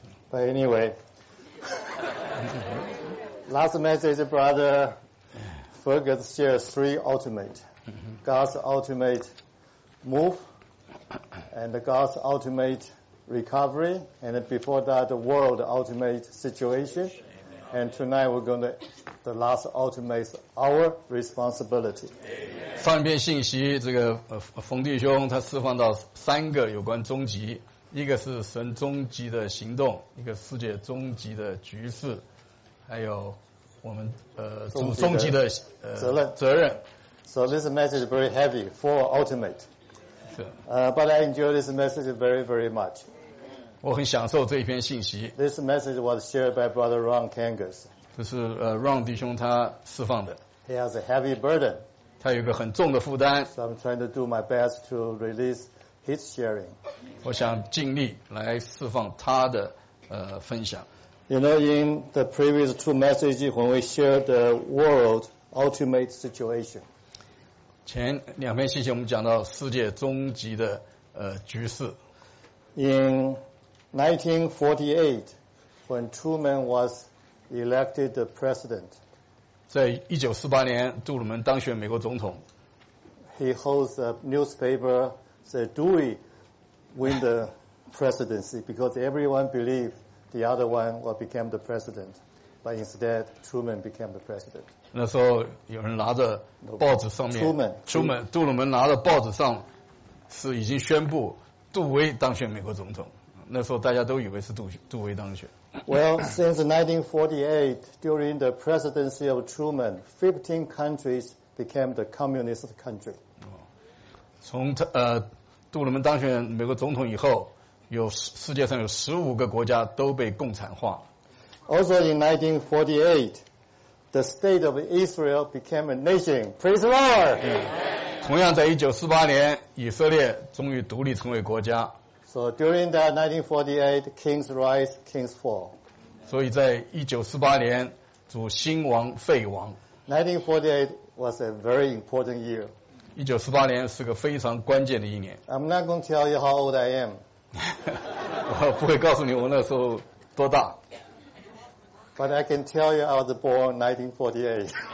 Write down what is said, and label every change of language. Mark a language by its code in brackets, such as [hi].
[en] But anyway, last message, Brother Fergus shared three ultimate. God's ultimate move, and God's ultimate recovery, and before that, the world ultimate situation. And tonight, we're going to the last ultimate, our responsibility. [zh] 翻遍信息，这个冯弟兄他释放到三个有关终极。一个是神终极的行动，一个世界终极的局势，还有我们终极的责任。 [en] So this message is very heavy for ultimate. But I enjoy this message very, very much. [zh] 我很享受这一篇信息。 [en] This message was shared by Brother Ron Kangas. [zh] 这是Ron 弟兄他释放的。 [en] He has a heavy burden. [zh] 他有一个很重的负担。 [en] So I'm trying to do my best to release. His sharing. [zh] 我想尽力来释放他的分享。 [en] You know, in the previous two messages, when we shared the world ultimate situation. [zh] 前两篇信息我们讲到世界终极的局势。 [en] In 1948, when Truman was elected the president. [zh] 在1948年杜鲁门当选美国总统。 [en] He holds a newspaper,So Dewey win the presidency because everyone believed the other one will become the president. But instead, Truman became the president. [zh] 那时候有人拿着报纸上面 [en] Truman, [zh] 杜鲁门拿着报纸上是已经宣布杜威当选美国总统。那时候大家都以为是杜威当选。 [en] Well, since 1948, during the presidency of Truman, 15 countries became the communist country. [zh] 从杜鲁门当选美国总统以后，有世界上有15个国家都被共产化。 [en] Also in 1948, the state of Israel became a nation. Praise the Lord! [zh] 同样在1948年，以色列终于独立成为国家。 [en] So during that 1948, kings rise, kings fall. [zh] 所以在1948年，主兴亡废亡。 [en] 1948 was a very important year. [zh] 1948年是个非常关键的一年。 [en] I'm not going to tell you how old I am. [zh] 我不会告诉你我那时候多大。 [en] But I can tell you I was born 1948.